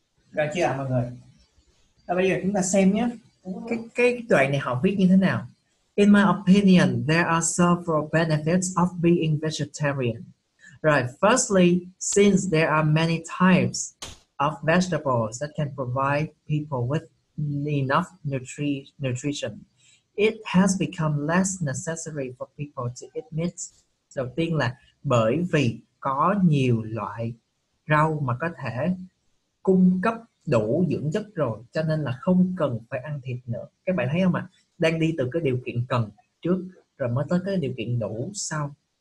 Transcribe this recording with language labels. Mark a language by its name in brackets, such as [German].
[Vietnamese] Rồi chưa ạ mọi người? Rồi bây giờ chúng ta xem nhé. Cái đoạn này họ viết như thế nào? [English] In my opinion, there are several benefits of being vegetarian. Right, firstly, since there are many types of vegetables that can provide people with enough nutrition, it has become less necessary for people to eat meat. [Vietnamese] Đầu tiên là bởi vì có nhiều loại rau mà có thể cung cấp đủ dưỡng chất rồi, cho nên là không cần phải ăn thịt nữa. Các bạn thấy không ạ? Đang đi từ cái điều kiện cần trước, rồi mới tới cái điều kiện đủ sau.